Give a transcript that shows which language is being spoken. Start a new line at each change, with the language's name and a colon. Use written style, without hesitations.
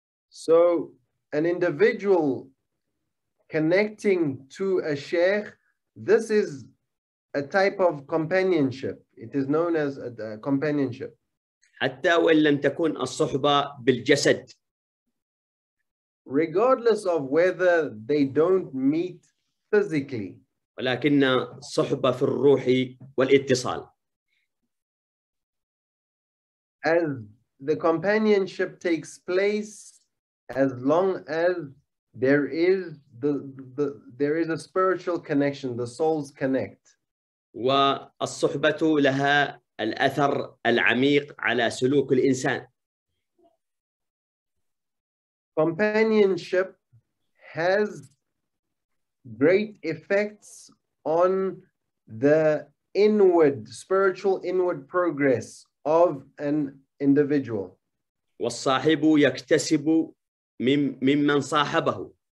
English: So an individual connecting to a sheikh, this is a type of companionship. It is known as a companionship.
Arabic: حتى وإن لم تكون الصحبة بالجسد.
English: Regardless of whether they don't meet physically.
Arabic: ولكن صحبة في الروح والاتصال.
English: As the companionship takes place, as long as there is there is a spiritual connection, the souls connect.
Arabic: والصحبة لها الأثر العميق على سلوك الإنسان.
English: Companionship has great effects on the inward, spiritual inward progress of an individual.
Arabic: والصاحب يكتسب ممن صاحبه.